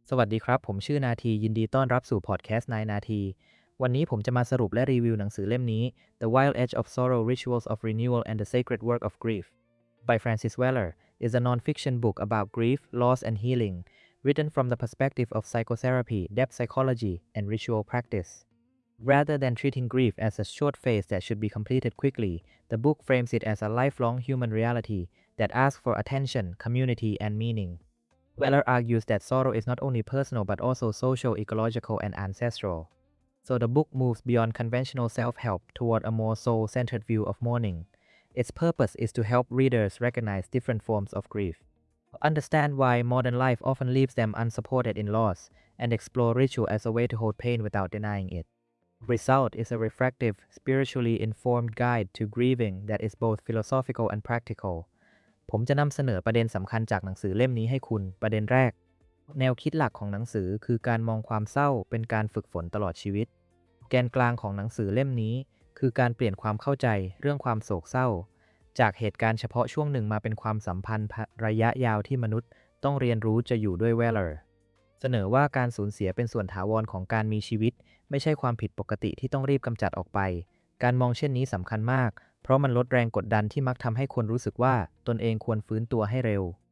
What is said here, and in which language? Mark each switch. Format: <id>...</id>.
<th>สวัสดีครับผมชื่อนาทียินดีต้อนรับสู่พอดแคสต์นายนาทีวันนี้ผมจะมาสรุปและรีวิวหนังสือเล่มนี้</th> <en>The Wild Edge of Sorrow: Rituals of Renewal and the Sacred Work of Grief by Francis Weller is a non-fiction book about grief, loss and healing written from the perspective of psychotherapy, depth psychology and ritual practice. Rather than treating grief as a short phase that should be completed quickly, the book frames it as a lifelong human reality that asks for attention, community and meaning. Weller argues that sorrow is not only personal but also social, ecological, and ancestral. So the book moves beyond conventional self-help toward a more soul-centered view of mourning. Its purpose is to help readers recognize different forms of grief, understand why modern life often leaves them unsupported in loss, and explore ritual as a way to hold pain without denying it. The result is a reflective, spiritually informed guide to grieving that is both philosophical and practical.</en> <th>ผมจะนำเสนอประเด็นสำคัญจากหนังสือเล่มนี้ให้คุณประเด็นแรกแนวคิดหลักของหนังสือคือการมองความเศร้าเป็นการฝึกฝนตลอดชีวิตแกนกลางของหนังสือเล่มนี้คือการเปลี่ยนความเข้าใจเรื่องความโศกเศร้า จากเหตุการณ์เฉพาะช่วงหนึ่งมาเป็นความสัมพันธ์ระยะยาวที่มนุษย์ต้องเรียนรู้จะอยู่ด้วยเวลเลอร์เสนอว่าการสูญเสียเป็นส่วนถาวรของการมีชีวิตไม่ใช่ความผิดปกติที่ต้องรีบกำจัดออกไปการมองเช่นนี้สำคัญมากเพราะมันลดแรงกดดันที่มักทำให้คนรู้สึกว่าตนเองควรฟื้นตัวให้เร็ว</th>